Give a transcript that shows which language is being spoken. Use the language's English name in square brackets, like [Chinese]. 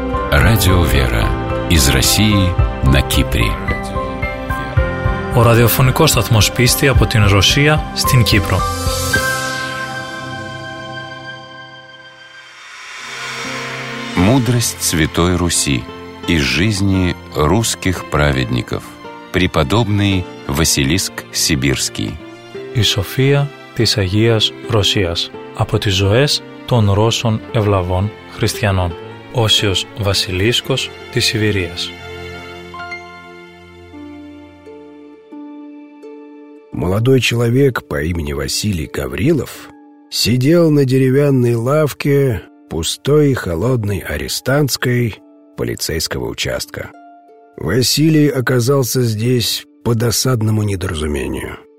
[Russian] Радио Вера из России на Кипре. [Greek] Ο ραδιοφωνικός σταθμός πίστη από την Ρωσία στην Κύπρο. [Russian] Мудрость Святой Руси из жизни русских праведников. Преподобный Василиск Сибирский. [Greek] И София της Агίας Ρωσίας. Από τις ζωές των Ρώσων ευλαβών χριστιανών. Όσιος Βασιλίσκος της Σιβηρίας. [Russian] Молодой человек по имени Василий Гаврилов сидел на деревянной лавке пустой и холодной арестантской полицейского участка. Василий оказался здесь по досадному недоразумению.